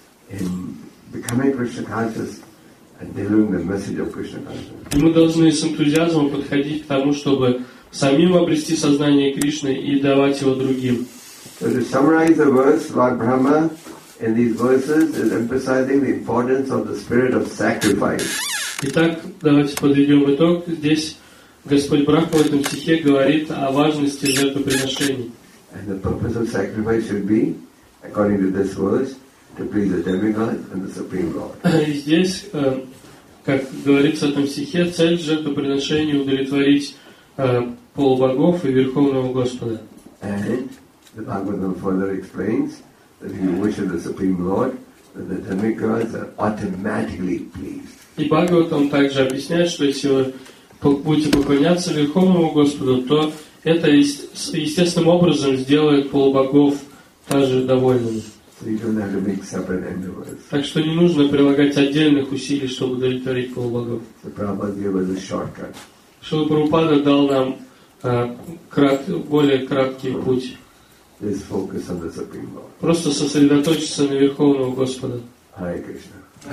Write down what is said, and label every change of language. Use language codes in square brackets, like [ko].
[ru] И мы должны с энтузиазмом подходить к тому, чтобы самим обрести сознание Кришны и давать его другим. [en] So to summarize the verse, Lord Brahma in these verses is emphasizing the importance of the spirit of sacrifice. [ru] Итак, давайте подведем итог. Здесь Господь Брахма в этом стихе говорит о важности жертвоприношений. [en] And the purpose of sacrifice should be, according to this verse, to please the demigods and the supreme lord. [ru] И здесь, как говорится в этом стихе, цель жертвоприношения удовлетворить полубогов и Верховного Господа. [en] The Bhagavatam further explains that if you worship the Supreme Lord, then the demigods are automatically pleased. [ru] И Бхагаватам также объясняет, что если вы будете поклоняться Верховному Господу, то это естественным образом сделает полубогов также довольными. [en] So you don't have to make separate endeavors. [ru] Так что не нужно прилагать отдельных усилий, чтобы удовлетворить полубогов. [en] So Prabhupada gave us a shortcut. [ru] Шрила Прабхупада дал нам более краткий путь. [en] Just focus on the Supreme Lord. [ru] Просто сосредоточиться на Верховного Господа. [en] Hare Krishna.